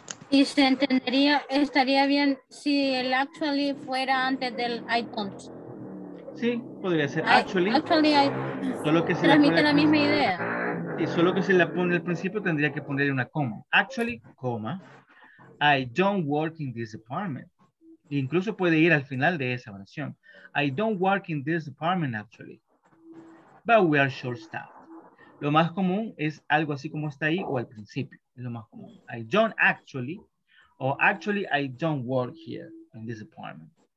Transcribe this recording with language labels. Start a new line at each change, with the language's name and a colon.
Spanish: Yeah. ¿Y se entendería, estaría bien si el actually fuera antes del
English: I don't?
Spanish: Sí, podría ser actually. Transmite la misma idea. Y solo que se la pone al principio, tendría que ponerle una coma.
English: Actually, coma, I don't work in this department.
Spanish: E incluso puede ir al final de esa oración.
English: I don't work in this department, actually. But we are short staff.
Spanish: Lo más común es algo así como está ahí o al principio. Es lo más común.
English: I don't actually, o actually I don't work here in this department.